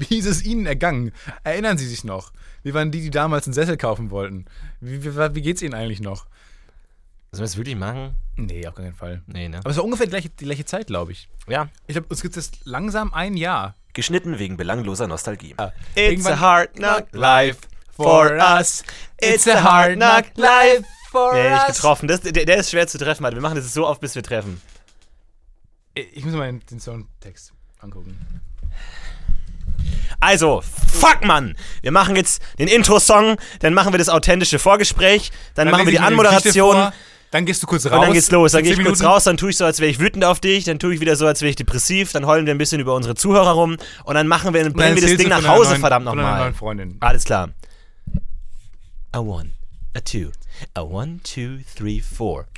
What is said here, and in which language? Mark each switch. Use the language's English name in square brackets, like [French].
[German] Wie ist es Ihnen ergangen? Erinnern Sie sich noch? Wie waren die damals einen Sessel kaufen wollten? Wie geht es Ihnen eigentlich noch? Sollen wir das wirklich machen? Nee, auf keinen Fall. Nee, ne? Aber es war ungefähr die gleiche Zeit, glaube ich. Ja. Ich glaube, uns gibt es langsam ein Jahr. Geschnitten wegen belangloser Nostalgie. [English] It's a hard knock life for us. It's a hard knock life for us. [German] Nee, ich getroffen. Der ist schwer zu treffen. Wir machen das so oft, bis wir treffen. Ich muss mal den Songtext angucken. Also, fuck, Mann! Wir machen jetzt den Intro-Song, dann machen wir das authentische Vorgespräch, dann machen wir die Anmoderation. Dann gehst du kurz raus. Und dann geht's los. Dann gehe ich kurz raus, dann tue ich so, als wäre ich wütend auf dich, dann tue ich wieder so, als wäre ich depressiv, dann heulen wir ein bisschen über unsere Zuhörer rum und dann bringen wir das Ding nach Hause, verdammt nochmal. Von einer neuen Freundin. Alles klar. [English] A one, a two, a one, two, three, four.